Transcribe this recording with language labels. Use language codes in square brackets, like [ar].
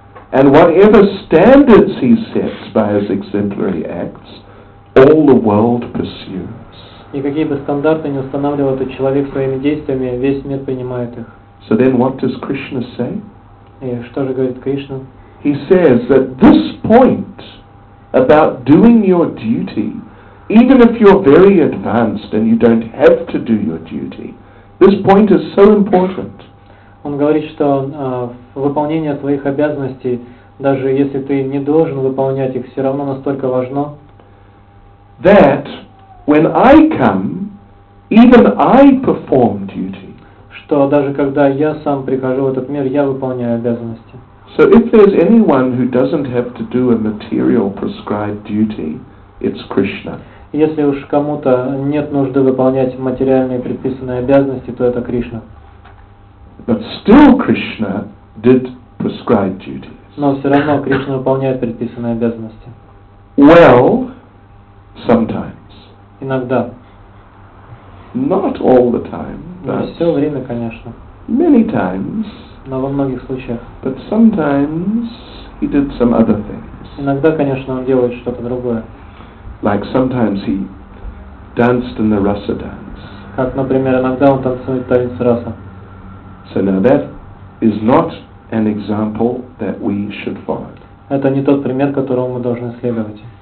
[en] And whatever standards he sets by his exemplary acts, all the world pursues. [ru] И какие бы стандарты ни устанавливал этот человек своими действиями, весь мир принимает их. [en] So then what does Krishna say? [ru] И что же говорит Кришна? [en] He says that this point about doing your duty, even if you're very advanced and you don't have to do your duty, this point is so important. [ru] Он говорит, что выполнение твоих обязанностей, даже если ты не должен выполнять их, все равно настолько важно. [en] That when I come, even I perform duty. [ru] Что даже когда я сам прихожу в этот мир, я выполняю обязанности. [en] So if there's anyone who doesn't have to do a material prescribed duty, it's Krishna. [ru] Если уж кому-то нет нужды выполнять материальные предписанные обязанности, то это Кришна. [en] But still Krishna did prescribed duties. [ru] Но все равно Кришна выполняет предписанные обязанности. [en] Well, sometimes. [ru] Иногда. [en] Not all the time. [ru] Не все время, конечно. [en] Many times. [ru] Но во многих случаях. [en] But sometimes he did some other things. [ru] Иногда, конечно, он делает что-то другое. [en] Like sometimes he danced in the Rasa dance. [ru] Как, например, иногда он танцует танец Раса. [en] So now that is not an example that we should follow. [ru] Это не тот пример, которому мы должны следовать.